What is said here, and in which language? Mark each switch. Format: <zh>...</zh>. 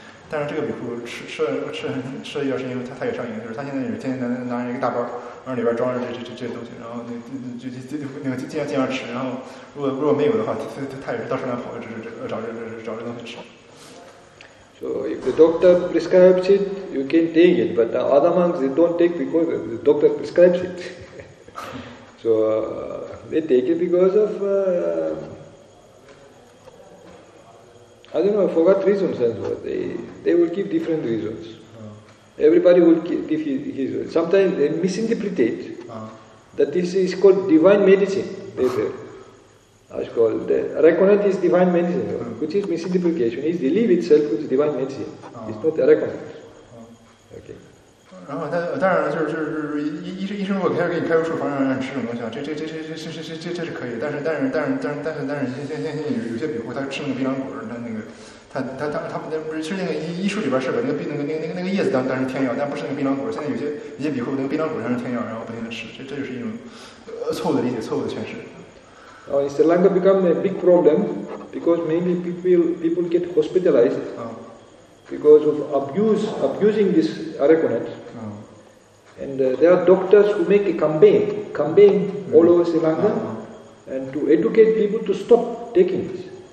<zh>但是这个比库吃药是因为他也上瘾，就是他现在有天天拿着一个大包，然后里边装着这些东西，然后尽量吃，然后如果没有的话，他也是到处乱跑，找这东西吃。</zh> <en>So if the doctor prescribes it, you can take it. But other monks they don't take because the doctor prescribes it. So they take it because of I don't know, I forgot reasons and what. They will give different reasons. Everybody will give his reasons. Sometimes they misinterpret that this is called divine medicine, they say. It's called, Araconut is divine medicine, which is misinterpretation. It's the leaf itself which is divine medicine. It's not Araconut.</en> <zh>然后他当然就是医生如果开个处方让你吃这种东西啊，这是可以，但是有些比库他吃那个槟榔果，他不是吃那个医术里边是把那个叶子当成天药，但不是那个槟榔果。现在有些比库那个槟榔果当成天药，然后不停的吃，这就是一种错误的理解，错误的诠释。</zh> <en>Oh, it's long become a big problem because many people get hospitalized. Because of abusing this araconut. And there are doctors who make a campaign all over Sri Lanka and to educate people to stop taking this.</en>